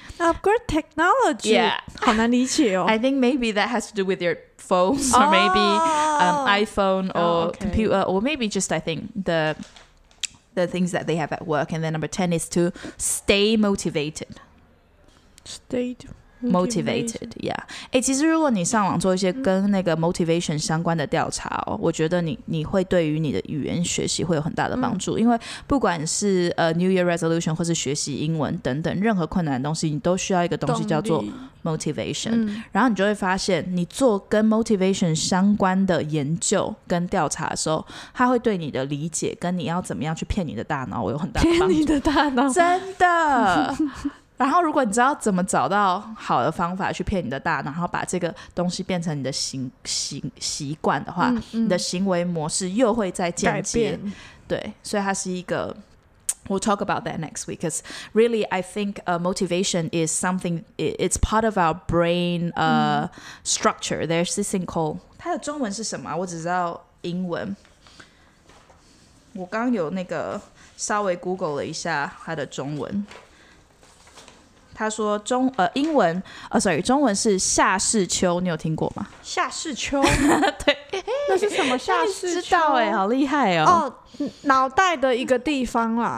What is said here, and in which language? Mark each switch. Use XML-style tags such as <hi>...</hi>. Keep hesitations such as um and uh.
<en>Upgrade technology. Yeah. I think maybe that has to do with your phones oh. or maybe um, iPhone or oh, okay. computer or maybe just I think the the things that they have at work. And then number ten is to stay motivated. Stay motivated.</en> <zh>motivated 呀，哎，其实如果你上网做一些跟那个 motivation 相关的调查哦、嗯，我觉得你你会对于你的语言学习会有很大的帮助、嗯，因为不管是呃、uh,</zh> <en>New Year resolution</en> <zh>或是学习英文等等任何困难的东西，你都需要一个东西叫做 motivation。然后你就会发现，你做跟 motivation 相关的研究跟调查的时候，它会对你的理解跟你要怎么样去骗你的大脑，我有很大的帮助。骗你的大脑，真的。 然后，如果你知道怎么找到好的方法去骗你的大脑，然后把这个东西变成你的行行习惯的话，你的行为模式又会在改变。对，所以它是一个，</zh> <en>We'll talk about that next week. Because really, I think, uh, motivation is something. It's part of our brain, uh, structure. There's this thing called</en> <zh>它的中文是什么？我只知道英文。我刚有那个稍微 Google 了一下它的中文。他说中呃英文呃、哦、，sorry，中文是夏世秋，你有听过吗？夏世秋， 对、欸，那是什么夏？世、欸、秋？知道哎、欸，好厉害哦、喔！哦，脑袋的一个地方啦。</zh>